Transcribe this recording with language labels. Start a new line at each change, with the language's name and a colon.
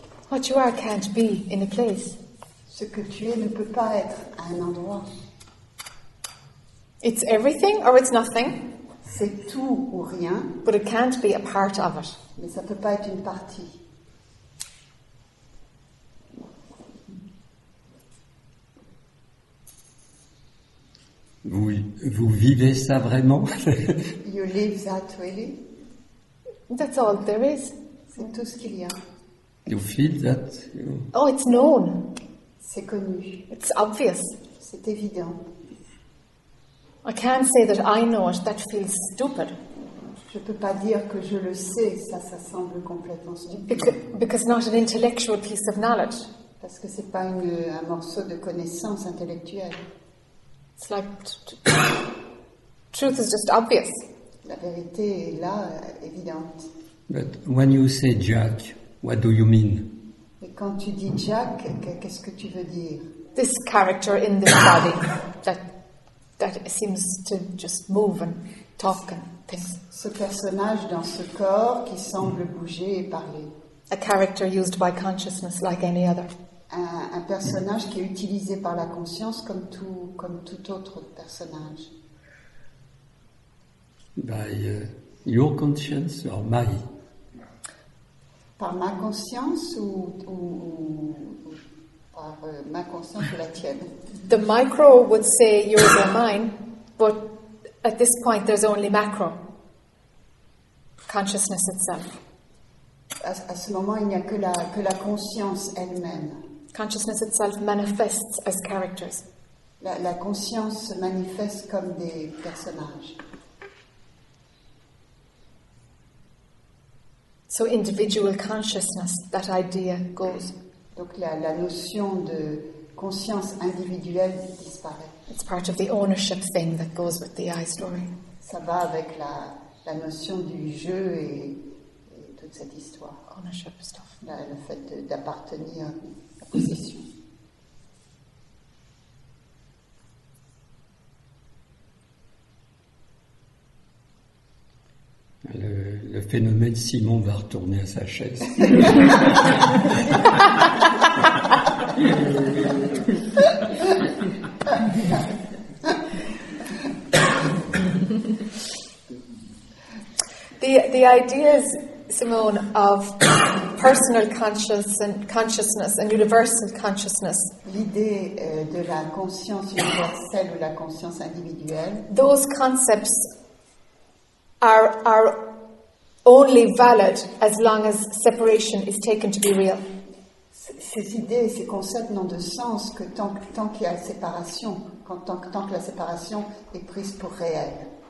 English: What you are can't be in a place.
French: Ce que tu es ne peut pas être à un endroit.
English: It's everything or it's nothing.
French: C'est tout ou rien.
English: But it can't be a part of it.
French: Mais ça peut pas être une partie. Vous vivez ça vraiment?
English: You live that really? That's all there is.
French: C'est tout ce qu'il y a.
English: You feel that? You... Oh, it's known.
French: C'est connu.
English: It's obvious.
French: C'est évident.
English: I can't say that I know it. That feels stupid.
French: Je peux pas dire que je le sais. Ça semble complètement stupide.
English: Because not an intellectual piece of knowledge.
French: Parce que c'est pas un morceau de connaissance intellectuelle.
English: It's like truth is just obvious.
French: La vérité est là, évidente.
English: But when you say Jack, what do you mean?
French: Et quand tu dis Jack, qu'est-ce que tu veux dire?
English: This character in this body that seems to just move and talk and think.
French: Ce personnage dans ce corps qui semble bouger et parler.
English: A character used by consciousness like any other.
French: Un personnage qui est utilisé par la conscience comme tout autre personnage.
English: By your conscience or my?
French: Par ma conscience ou par ma conscience ou la tienne?
English: The micro would say yours or mine, but at this point there's only macro. Consciousness itself.
French: À ce moment, il n'y a que la conscience elle-même.
English: Consciousness itself manifests as characters.
French: La conscience se manifeste comme des personnages.
English: So individual consciousness, that idea goes.
French: Donc la notion de conscience individuelle disparaît.
English: It's part of the ownership thing that goes with the I story.
French: Ça va avec la notion du jeu et toute cette histoire.
English: Ownership stuff.
French: Le fait d'appartenir à la position. Le phénomène Simon va retourner à sa chaise.
English: The ideas, Simone, of personal consciousness and universal consciousness.
French: L'idée de la conscience universelle ou la conscience individuelle.
English: Those concepts are only valid as long as separation is taken to be real.
French: Ces idées, ces concepts n'ont de sens que tant qu'il y a séparation, tant que la séparation est prise pour réelle.